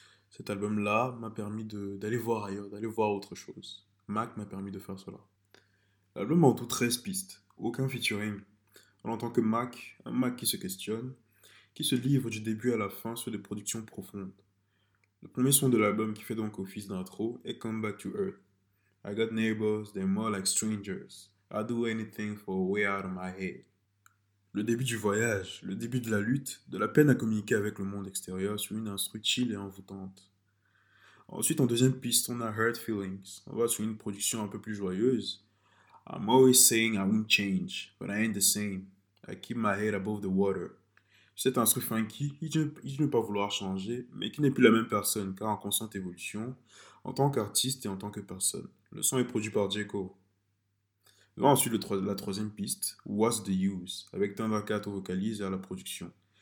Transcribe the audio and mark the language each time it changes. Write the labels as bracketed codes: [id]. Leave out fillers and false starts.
[fr] Cet album-là m'a permis d'aller voir ailleurs, d'aller voir autre chose. Mac m'a permis de faire cela. L'album a en tout 13 pistes, aucun featuring. On entend que Mac, un Mac qui se questionne, qui se livre du début à la fin sur des productions profondes. Le premier son de l'album, qui fait donc office d'intro, est Come Back to Earth. [en] I got neighbors, they're more like strangers. I'll do anything for a way out of my head. [fr] Le début du voyage, le début de la lutte, de la peine à communiquer avec le monde extérieur sur une instru chill et envoûtante. Ensuite, en deuxième piste, on a Hurt Feelings. On va sur une production un peu plus joyeuse. [en] I'm always saying I won't change, but I ain't the same. I keep my head above the water. [fr] Cette instru funky, il ne veut pas vouloir changer, mais qui n'est plus la même personne, car en constante évolution, en tant qu'artiste et en tant que personne. Le son est produit par J. Cole. Ensuite, la troisième piste, What's the Use, avec Thundercat au vocalise et à la production.